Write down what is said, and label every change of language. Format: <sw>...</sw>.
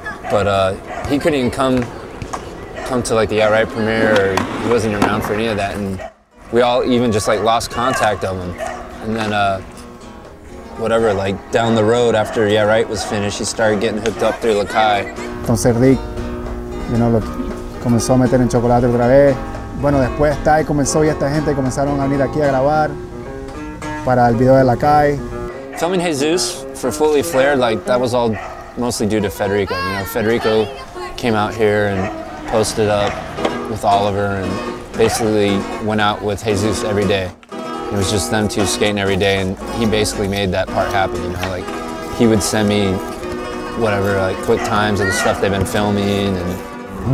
<en>But he couldn't even come to like the Yeah Right premiere, or he wasn't around for any of that. And we all even just like lost contact of him. And then whatever, like down the road after Yeah Right was finished, he started getting hooked up through Lakai.</en> <es>Entonces Rick,</es> <en>you know,</en> <es>lo comenzó a meter en chocolate otra vez. Bueno, después Ty comenzó y esta gente comenzaron a venir aquí a grabar para el video de Lakai.</es> <en>Filming Jesus for Fully Flared, like that was all mostly due to Federico. You know, Federico came out here and posted up with Oliver and basically went out with Jesus every day. It was just them two skating every day, and he basically made that part happen, you know? Like, he would send me whatever, like, quick times of the stuff they've been filming, and...</en>